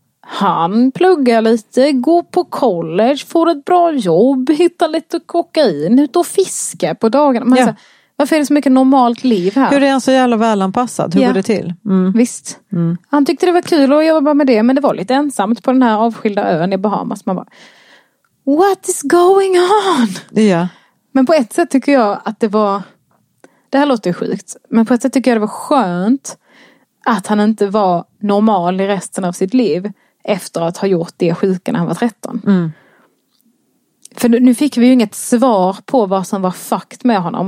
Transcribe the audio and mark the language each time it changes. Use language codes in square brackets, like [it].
[sv] Han pluggar lite, går på college, får ett bra jobb, hittar lite kokain, ut och fiska på dagarna. Man säger, varför är det så mycket normalt liv här? Hur är han så jävla välanpassad? Hur går det till? Visst. Mm. Han tyckte det var kul att jobba med det, men det var lite ensamt på den här avskilda ön i Bahamas. Man bara, [en] what is going on? Yeah. [sv] Men på ett sätt tycker jag att det var, det här låter ju sjukt, men på ett sätt tycker jag det var skönt att han inte var normal i resten av sitt liv efter att ha gjort det sjuka när han var 13. Mm. För nu fick vi ju inget svar på vad som var fucked med honom.